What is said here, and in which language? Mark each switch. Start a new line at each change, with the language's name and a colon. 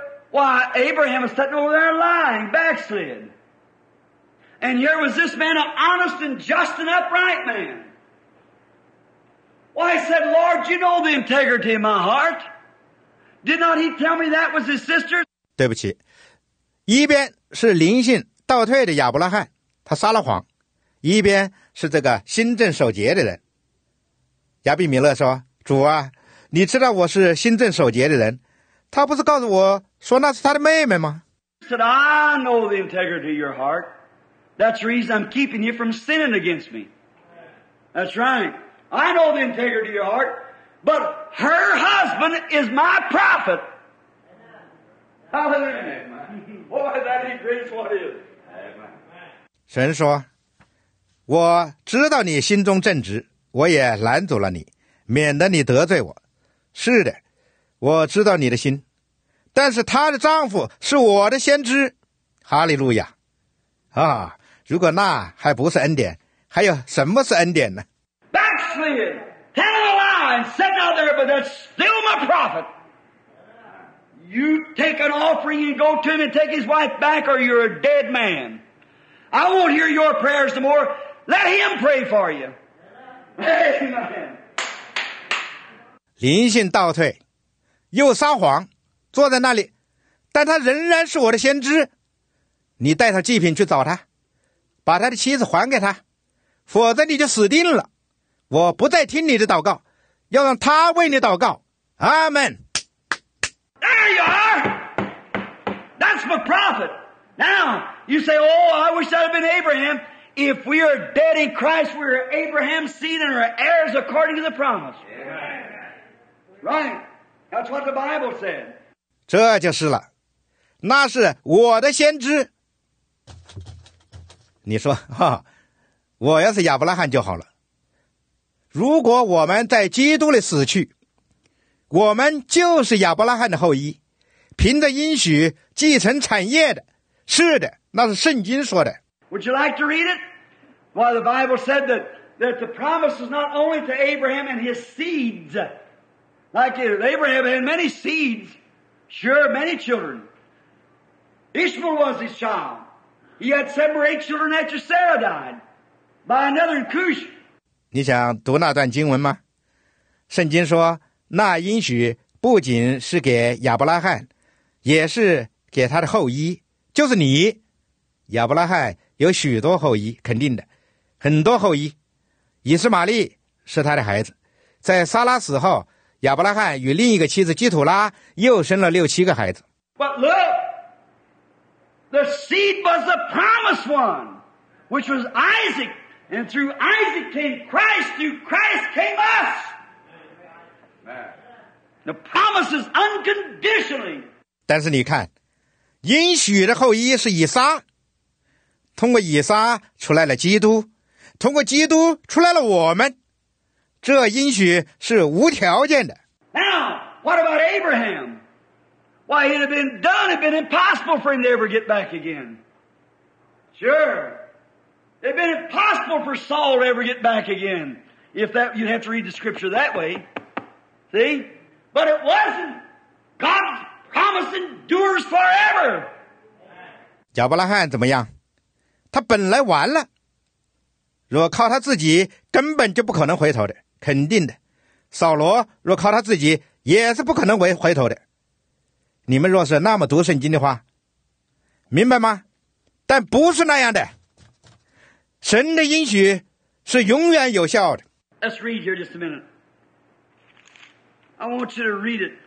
English: Why, Abraham is sitting over there lying, backslid. And here was this man, an honest and just and upright man. Why, he said, Lord, you know the integrity of my heart. Did not he tell me that was his sister?
Chinese: 对不起，一边是灵性倒退的亚伯拉罕，他撒了谎，一边是这个心正守节的人。亚比米勒说，主啊，你知道我是心正守节的人，他不是告诉我说那是他的妹妹吗？
English: He said, I know the integrity of your heart. That's the reason I'm keeping you from sinning against me. That's right. I know the integrity of your heart, but her husband is my prophet. Hallelujah. Boy, that he brings what is.
Chinese: 神说，我知道你心中正直，我也拦阻了你，免得你得罪我。是的，我知道你的心，但是她的丈夫是我的先知。哈利路亚啊，如果那还不是恩典，还有什么是恩典呢？
English: Backslid, tell a lie, sitting out there, but that's still my prophet. You take an offering and go to him and take his wife back, or you're a dead man. I won't hear your prayers no more. Let him pray for you. Amen.
Chinese: 灵性倒退又撒谎坐在那里，但他仍然是我的先知。你带他祭品去找他，把他的妻子还给他，否则你就死定了。我不再听你的祷告，要让他为你祷告。阿们。
English: There you are. That's my prophet. Now you say, "Oh, I wish that had been Abraham." If we are dead in Christ, we are Abraham's seed and are heirs according to the promise. Right. That's what the Bible said.
Chinese: 这就是了，那是我的先知。你说哈，我要是亚伯拉罕就好了。如果我们在基督里死去，我们就是亚伯拉罕的后裔，凭着应许继承产业的。是的，那是圣经说的。
English: Would you like to read it? Well, the Bible said that the promise is not only to Abraham and his seeds, like Abraham had many seeds. Sure, many children. Ishmael was his child. He had seven or eight children after Sarah died by another Cush.
Chinese: 你想读那段经文吗？圣经说，那应许不仅是给亚伯拉罕，也是给他的后裔，就是你。亚伯拉罕有许多后裔，肯定的，很多后裔。以斯玛利是他的孩子，在撒拉死后，亚伯拉罕与另一个妻子基土拉又生了六七个孩子。
English: But look, the seed was the promised one, which was Isaac, and through Isaac came Christ, through Christ came us. The promise is unconditionally.
Chinese: 但是你看，应许的后裔是以撒，通过以撒出来了基督，通过基督出来了我们。这应许是无条件的。
English: Now, what about Abraham? Why, it had been done, it had been impossible for him to ever get back again. Sure. It had been impossible for Saul to ever get back again. If that, you'd have to read the scripture that way. See? But it wasn't. God's promise endures forever.
Chinese: 亚伯拉罕怎么样？他本来完了。若靠他自己，根本就不可能回头的。肯定的，扫罗若靠他自己也是不可能回头的。你们若是那么读圣经的话，明白吗？但不是那样的，神的应许是永远有效的。
English: Let's read here just a minute. I want you to read it.